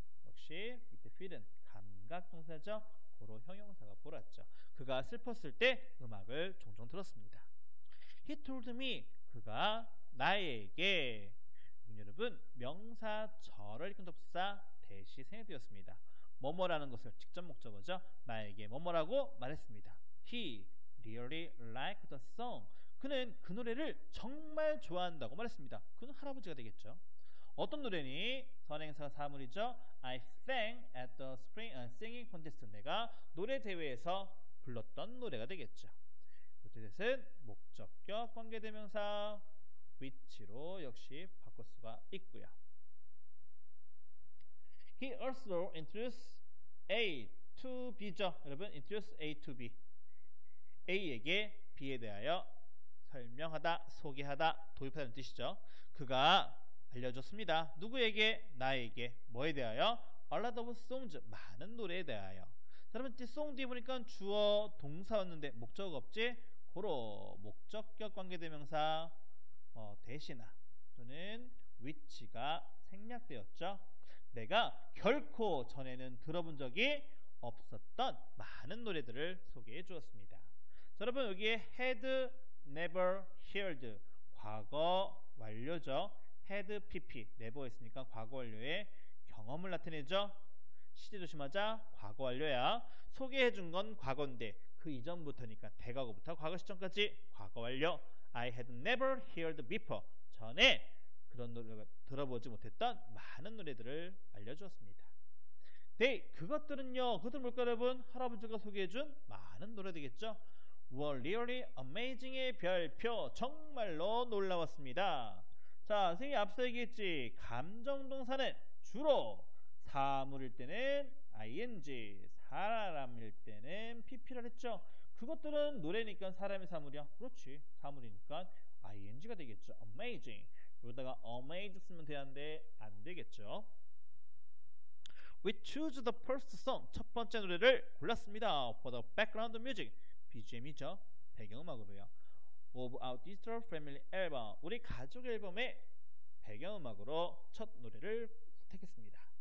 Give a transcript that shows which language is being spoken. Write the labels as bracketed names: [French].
[Korean] 역시 밑에 feel은 감각 동사죠. 고로 형용사가 보랐죠. 그가 슬펐을 때 음악을 종종 들었습니다. [English] He told me, [Korean] 그가 나에게. 여러분, 명사 저를 읽은 독사 대시 생략되었습니다. 뭐뭐라는 것을 직접 목적어죠. 나에게 뭐뭐라고 말했습니다. [English] He really liked the song. [Korean] 그는 그 노래를 정말 좋아한다고 말했습니다. 그는 할아버지가 되겠죠. 어떤 노래니? 선행사가 사물이죠. [English] I sang at the spring singing contest. [Korean] 내가 노래 대회에서 불렀던 노래가 되겠죠. 이렇게 됐은 목적격 관계대명사 위치로 역시 바꿀 수가 있고요. [English] He also introduced A to B죠. 여러분, introduce A to B. [Korean] A에게 B에 대하여 설명하다, 소개하다, 도입하다는 뜻이죠. 그가 알려줬습니다. 누구에게? 나에게. 뭐에 대하여? [English] A lot of songs. [Korean] 많은 노래에 대하여. 자, 여러분, 이 song 뒤에 보니까 주어, 동사였는데 목적 없지? 고로 목적격 관계대명사 대시나 또는 위치가 생략되었죠. 내가 결코 전에는 들어본 적이 없었던 많은 노래들을 소개해 주었습니다. 자, 여러분 여기에 [English] had never heard [Korean] 과거 완료죠. [English] had pp never [Korean] 했으니까 과거 완료의 경험을 나타내죠. 시제 조심하자. 과거 완료야. 소개해 준 건 과거인데 그 이전부터니까 대과거부터 과거 시점까지 과거 완료. [English] I had never heard before. [Korean] 전에 그런 노래를 들어보지 못했던 많은 노래들을 알려주었습니다. 네, 그것들은요. 그것들 뭘까요, 여러분? 할아버지가 소개해준 많은 노래 되겠죠? [English] Were really amazing의 별표. [Korean] 정말로 놀라웠습니다. 자, 선생님이 앞서 얘기했지. 감정동사는 주로 사물일 때는 ing, 사람일 때는 pp를 했죠. 그것들은 노래니까 사람의 사물이야. 그렇지. 사물이니까 ing가 되겠죠. [English] amazing. [Korean] 여기다가 amazed 쓰면 되는데 안 되겠죠. [English] We choose the first song. [Korean] 첫 번째 노래를 골랐습니다. [English] For the background music. [Korean] BGM이죠. 배경음악으로요. [English] Of our digital family album. [Korean] 우리 가족 앨범의 배경음악으로 첫 노래를 선택했습니다.